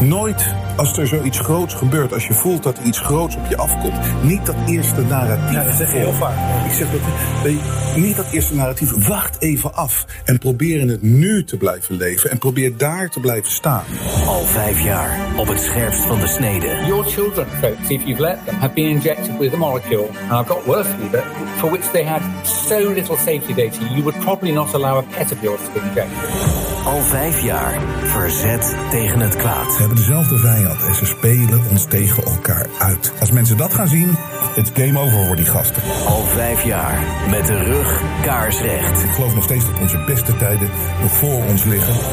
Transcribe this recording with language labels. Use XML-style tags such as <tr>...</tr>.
<nl>Nooit als er zoiets groots gebeurt, als je voelt dat iets groots op je afkomt. Niet dat eerste narratief. Ja, dat zeg je heel vaak. Ik zeg dat niet dat eerste narratief. Wacht even af en probeer in het nu te blijven leven. En probeer daar te blijven staan. Al vijf jaar op het scherpst van de snede.</nl> <en>Your children, folks, if you've let them, have been injected with a molecule. And I've got word for you that for which they had so little safety data, you would probably not allow a pet of yours to be injected.</en> <nl>Al vijf jaar verzet tegen het kwaad. We hebben dezelfde vijand en ze spelen ons tegen elkaar uit. Als mensen dat gaan zien, het game over voor die gasten. Al vijf jaar met de rug kaarsrecht. Ik geloof nog steeds dat onze beste tijden nog voor ons liggen.</nl>